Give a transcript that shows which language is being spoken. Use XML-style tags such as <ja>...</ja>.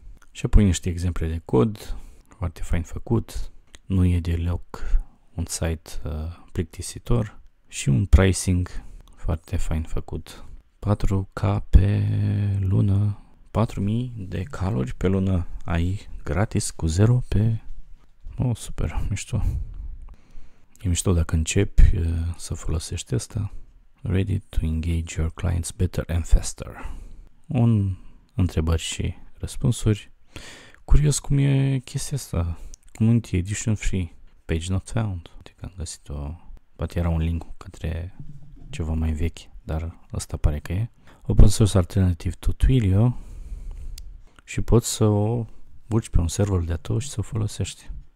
<ro>Și apoi niște exemple de cod, foarte fain făcut, nu e deloc un site plictisitor și un pricing foarte fain făcut. 4K pe lună, 4000 de calori pe lună ai gratis cu 0 pe... Oh, super, mișto. E mișto dacă începi să folosești asta.</ro> <en>Ready to engage your clients better and faster.</en> <ro>Un întrebări și răspunsuri. Curios cum e chestia asta.</ro> <en>Community edition free. Page not found.</en> <ro>Adică am găsit-o. Poate era un link către ceva mai vechi, dar ăsta pare că e.</ro> <en>Open source alternative to Twilio.</en> <ro>Și poți să o buci pe un server de-a tău și să o folosești.</ro>